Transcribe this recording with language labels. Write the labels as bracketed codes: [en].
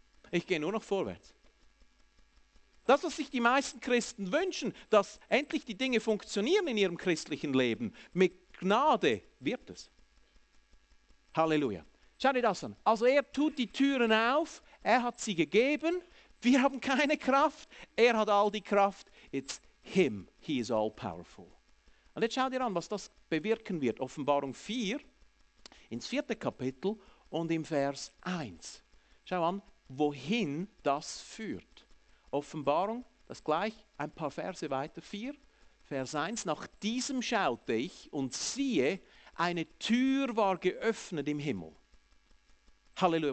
[de] Ich gehe nur noch vorwärts. Das, was sich die meisten Christen wünschen, dass endlich die Dinge funktionieren in ihrem christlichen Leben, mit Gnade wird es. Halleluja. Schau dir das an. Also er tut die Türen auf, er hat sie gegeben, wir haben keine Kraft, er hat all die Kraft. [en] It's him, he is all powerful. [de] Und jetzt schau dir an, was das bewirken wird. Offenbarung 4, ins vierte Kapitel und im Vers 1. Schau an, wohin das führt. Offenbarung, das gleich ein paar Verse weiter, 4, Vers 1, nach diesem schaute ich und siehe, eine Tür war geöffnet im Himmel. Halleluja.